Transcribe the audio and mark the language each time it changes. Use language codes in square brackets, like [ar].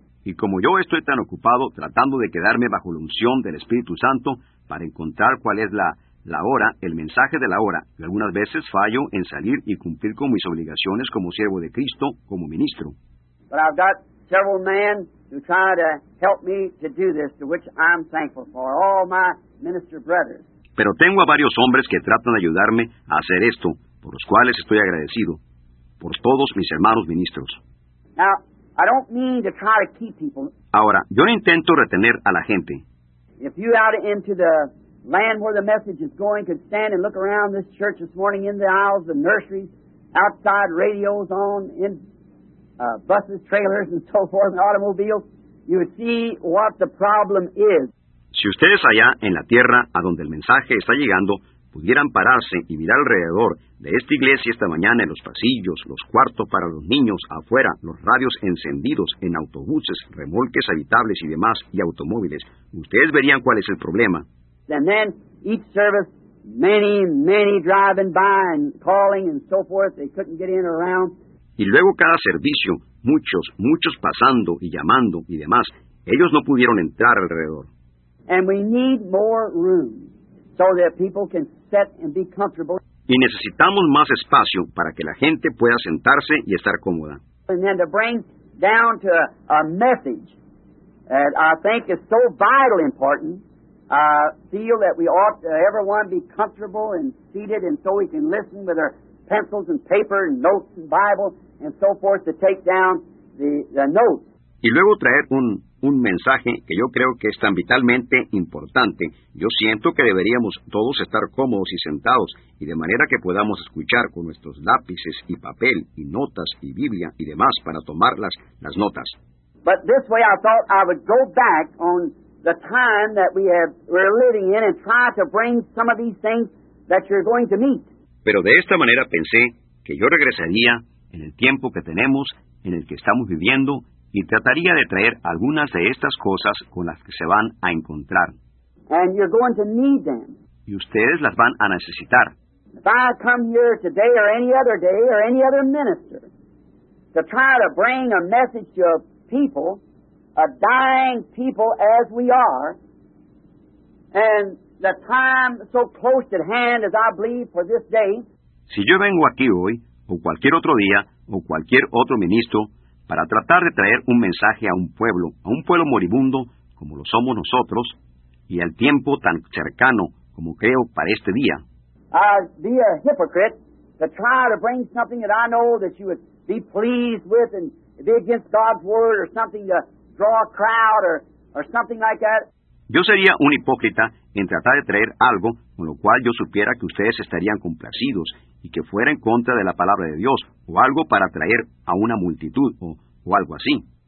[es] Y como yo estoy tan ocupado tratando de quedarme bajo la unción del Espíritu Santo para encontrar cuál es la hora, el mensaje de la hora, y algunas veces fallo en salir y cumplir con mis obligaciones como siervo de Cristo, como ministro. [en] But I've got several men who try to help me to do this, to which I'm thankful for, all my minister brothers. [es] Pero tengo a varios hombres que tratan de ayudarme a hacer esto, por los cuales estoy agradecido, por todos mis hermanos ministros. [en] Now, I don't mean to try to keep people. [es] Ahora, yo no intento retener a la gente. [en] If you out into the land where the message is going could stand and look around this church this morning in the aisles, the nurseries, outside radios on, in buses, trailers, and so forth, and automobiles, you would see what the problem is. [es] Si ustedes allá en la tierra a donde el mensaje está llegando pudieran pararse y mirar alrededor de esta iglesia esta mañana en los pasillos, los cuartos para los niños afuera, los radios encendidos en autobuses, remolques habitables y demás, y automóviles, ustedes verían cuál es el problema. [en] And then each service, many, many driving by and calling and so forth, they couldn't get in or around. [es] Y luego cada servicio, muchos, muchos pasando y llamando y demás, ellos no pudieron entrar alrededor. [en] And we need more room so that people can sit and be comfortable. [es] Y necesitamos más espacio para que la gente pueda sentarse y estar cómoda. [en] And then to bring down to a message that I think is so vital important, feel that we ought to everyone be comfortable and seated and so we can listen with our pencils and paper and notes and Bible and so forth to take down the notes. [es] Y luego traer un mensaje que yo creo que es tan vitalmente importante. Yo siento que deberíamos todos estar cómodos y sentados, y de manera que podamos escuchar con nuestros lápices y papel y notas y Biblia y demás para tomar las notas. [en] But this way I thought I would go back on the time that we're living in and try to bring some of these things that you're going to meet. [es] Pero de esta manera pensé que yo regresaría en el tiempo que tenemos, en el que estamos viviendo, y trataría de traer algunas de estas cosas con las que se van a encontrar. [en] And you're going to need them. [es] Y ustedes las van a necesitar. [en] If I come here today or any other day or any other minister to try to bring a message to a people, a dying people as we are, and the time so close at hand as I believe for this day. [es] Si yo vengo aquí hoy, o cualquier otro día, o cualquier otro ministro, para tratar de traer un mensaje a un pueblo moribundo como lo somos nosotros, y al tiempo tan cercano como creo para este día. [en] I'd be a hypocrite to try to bring something that I know that you would be pleased with and be against God's word or something to draw a crowd or something like that. [es] Yo sería un hipócrita en tratar de traer algo con lo cual yo supiera que ustedes estarían complacidos y que fuera en contra de la palabra de Dios, o algo para atraer a una multitud, o algo así.